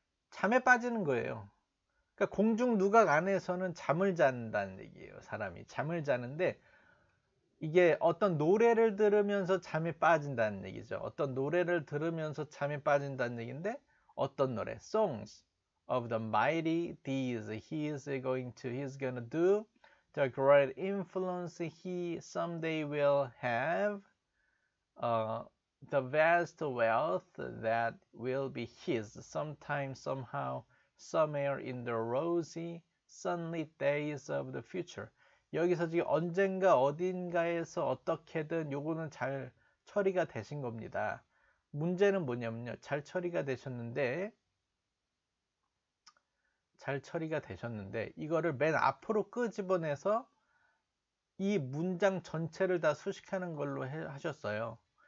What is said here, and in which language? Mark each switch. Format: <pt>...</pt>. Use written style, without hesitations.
<ko>잠에 빠지는 거예요. 그러니까 공중 누각 안에서는 잠을 잔다는 얘기예요. 사람이 잠을 자는데 이게 어떤 노래를 들으면서 잠이 빠진다는 얘기죠. 어떤 노래를 들으면서 잠이 빠진다는 얘기인데 어떤 노래?</ko> <en>Songs of the mighty deeds he's gonna do, the great influence he someday will have, the vast wealth that will be his sometime, somehow, somewhere in the rosy, sunlit days of the future.</en> <ko>여기서 지금 언젠가 어딘가에서 어떻게든 요거는 잘 처리가 되신 겁니다. 문제는 뭐냐면요. 잘 처리가 되셨는데, 잘 처리가 되셨는데, 이거를 맨 앞으로 끄집어내서 이 문장 전체를 다 수식하는 걸로 하셨어요.</ko>